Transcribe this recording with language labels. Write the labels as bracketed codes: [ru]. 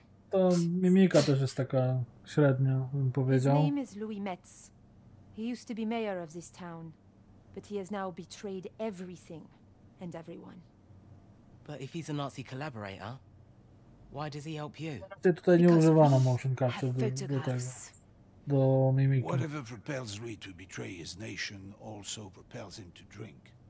[pl] To mimika też jest taka średnia, bym powiedział. [en] His name is Louis Metz. He used to be mayor of this town, but he has now betrayed everything and everyone. But if he's a Nazi collaborator, why does he help you? [pl] Tutaj nie używano motion capture do tego. Do mimiki. [en] Whatever propels Reed to betray his nation also propels him to drink.